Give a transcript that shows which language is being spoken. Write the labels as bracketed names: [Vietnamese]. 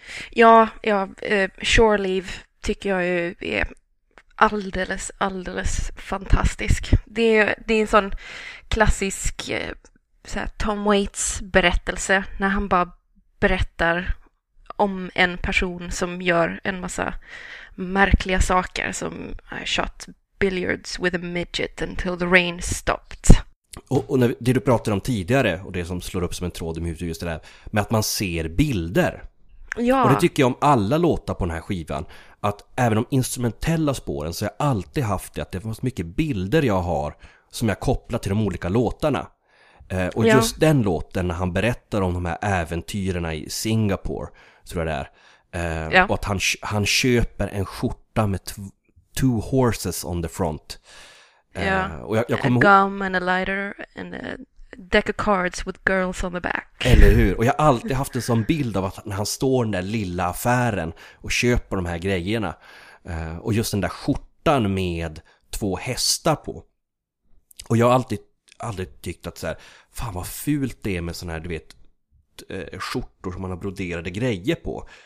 [Swedish] Ja, Shore Leave tycker jag är alldeles, alldeles fantastisk. Det är en sån klassisk så här, Tom Waits berättelse när han bara berättar om en person som gör en massa märkliga saker, som har kört [English] billiards with a midget until the rain stopped. [Swedish] Och när, det du pratade om tidigare och det som slår upp som en tråd i huvudet just det där med att man ser bilder. Ja. Och det tycker jag om alla låtar på den här skivan, att även de instrumentella spåren så har jag alltid haft det, att det finns mycket bilder jag har som jag kopplar till de olika låtarna. Och ja, just den låten när han berättar om de här äventyrerna i Singapore, tror jag det är. Ja. Och att han köper en skjorta med [English] two horses on the front. [Swedish] Ja. Och jag kommer ihåg... [English] gum and a lighter and a deck of cards with girls on the back. [Swedish] Eller hur? Och jag har alltid haft en sån bild av att när han står i den där lilla affären och köper de här grejerna. Och just den där skjortan med två hästar på. Och jag har aldrig tyckt att så här, fan vad fult det är med sån här, du vet, skjortor som man har broderade grejer på.